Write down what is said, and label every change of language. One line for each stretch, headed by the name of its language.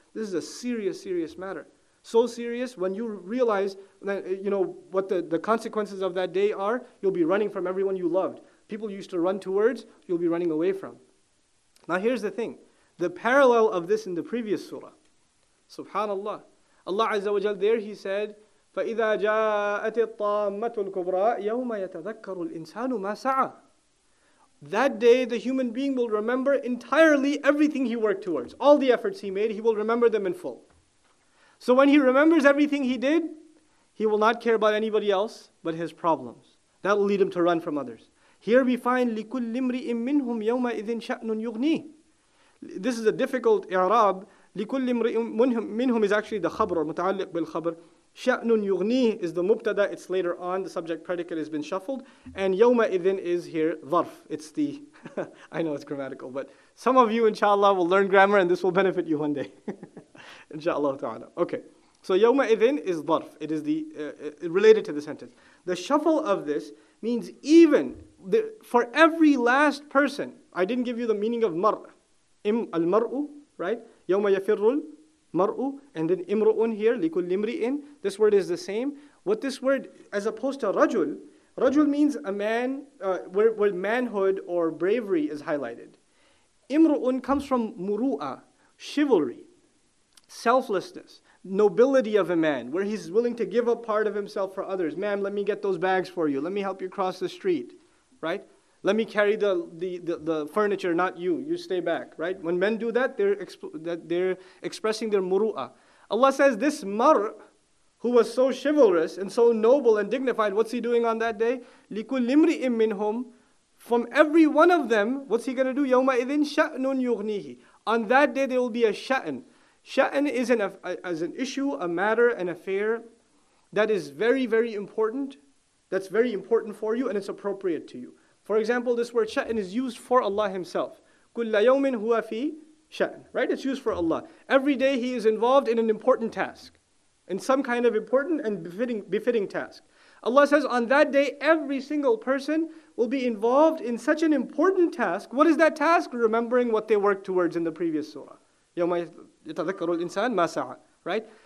English: This is a serious, serious matter. So serious, when you realize that, you know, what the consequences of that day are, you'll be running from everyone you loved. People you used to run towards, you'll be running away from. Now here's the thing. The parallel of this in the previous surah. SubhanAllah. Allah Azza wa Jal there, he said,
Arabic: فَإِذَا جَاءَتِ الطَّامَّةُ الْكُبْرَىٰ يَوْمَ يَتَذَكَّرُ الْإِنسَانُ مَا سَعَىٰ.
English: That day, the human being will remember entirely everything he worked towards. All the efforts he made, he will remember them in full. So when he remembers everything he did, he will not care about anybody else but his problems. That will lead him to run from others. Here we find,
Arabic: لِكُلِّ امْرِئٍ مِّنْهُمْ يَوْمَئِذٍ شَأْنٌ يُغْنِيهِ.
English: This is a difficult i'rab.
Arabic: لِكُلِّ امْرِئٍ مِّنْهُمْ
English: is actually the khabr, or
Arabic: متعلق بالخبر. شَأْنٌ يُغْنِيهِ
English: is the mubtada, it's later on, the subject predicate has been shuffled. And يَوْمَئِذٍ is here, ظَرْف. It's the, I know it's grammatical, but some of you, inshallah, will learn grammar and this will benefit you one day. Inshallah ta'ala. Okay. So يَوْمَئِذٍ is ظَرْف. It is the related to the sentence. The shuffle of this means even the, for every last person, I didn't give you the meaning of mar. Im al-mar'u, right?
Arabic: يَوْمَ يَفِرُّ الْمَرْءُ
English: and then imru'un here,
Arabic: لِكُلِّ امْرِئٍ.
English: This word is the same. What this word, as opposed to rajul, rajul means a man where manhood or bravery is highlighted. Imru'un comes from muru'a, chivalry, selflessness, nobility of a man, where he's willing to give up part of himself for others. Ma'am, let me get those bags for you. Let me help you cross the street, right? Let me carry the furniture, not you. You stay back, right? When men do that, they're expressing their muru'a. Allah says, this mar, who was so chivalrous and so noble and dignified, what's he doing on that day?
Arabic: لِكُلِّ امْرِئٍ مِّنْهُمْ
English: From every one of them, what's he going to do?
Arabic: يَوْمَئِذٍ شَأْنٌ يُغْنِيهِ
English: On that day, there will be a sha'n. Sha'n is an issue, a matter, an affair that is very, very important. That's very important for you and it's appropriate to you. For example, this word sha'n is used for Allah Himself.
Arabic: كُلَّ يَوْمٍ هُوَ فِي sha'n.
English: Right? It's used for Allah. Every day He is involved in an important task. In some kind of important and befitting task. Allah says, on that day, every single person will be involved in such an important task. What is that task? Remembering what they worked towards in the previous surah.
Arabic: يَوْمَ يَتَذَكَّرُ الْإِنسَانُ مَا سَعَى.
English: Right?